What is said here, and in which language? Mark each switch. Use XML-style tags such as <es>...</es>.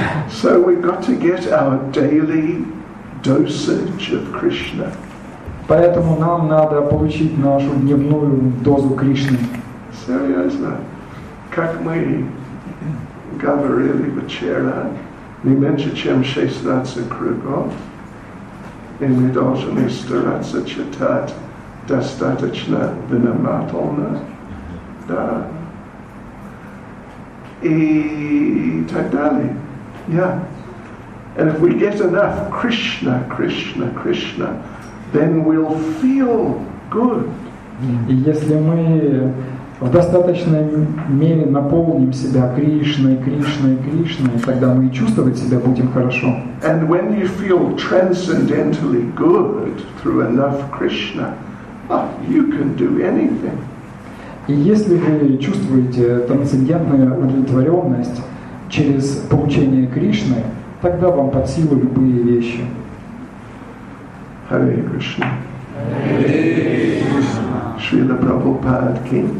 <en>So we got to get our daily dosage of Krishna.</en> <ru>Поэтому нам надо получить нашу дневную дозу Кришны. Серьезно? Как мы говорили вчера, не меньше чем 16 кругов, и мы должны стараться читать достаточно внимательно. Да. И так далее.</ru> <en>Yeah. And if we get enough Krishna, Krishna, Krishna, then we'll feel good.</en> <ru>И если мы в достаточной мере наполним себя Кришной, Кришной, Кришной, тогда мы и чувствовать себя будем хорошо.</ru> <en>And when you feel transcendentally good through enough Krishna, you can do anything.</en> <ru>И если вы чувствуете трансцендентную удовлетворенность через получение Кришны, тогда вам под силу любые вещи.</ru> <sa>Hare Krishna. Hare Krishna. Srila Prabhupada ki.</sa>